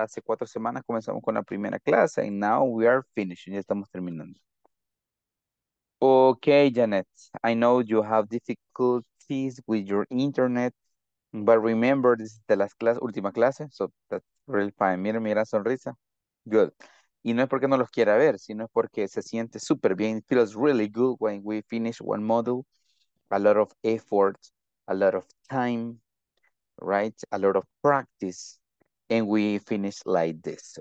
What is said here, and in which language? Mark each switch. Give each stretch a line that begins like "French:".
Spanish: Hace 4 semanas comenzamos con la primera clase
English: and now we are finishing,
Spanish: ya estamos terminando.
English: Okay, Janet, I know you have difficulties with your internet, but remember this is the last class,
Spanish: última clase,
English: so that's really fine.
Spanish: Mira, mira, sonrisa.
English: Good.
Spanish: Y no es porque no los quiera ver, sino es porque se siente súper bien.
English: It feels really good when we finish one module. A lot of effort, a lot of time. Right, a lot of practice, and we finish like this.